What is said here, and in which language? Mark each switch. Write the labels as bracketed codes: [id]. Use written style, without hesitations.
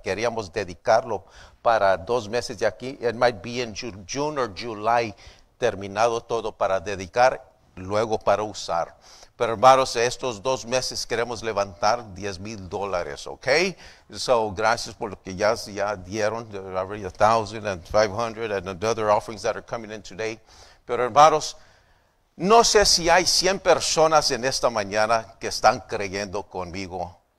[es] Queríamos dedicarlo para dos meses de aquí. [en] It might be in June or July, [es] terminado todo para dedicar, luego para usar. Pero hermanos, estos dos meses queremos levantar $10,000, ¿ok? So, gracias por lo que ya dieron. [en] There's already $1,500 and other offerings that are coming in today. [es] Pero hermanos, no sé si hay 100 personas en esta mañana que están creyendo conmigo.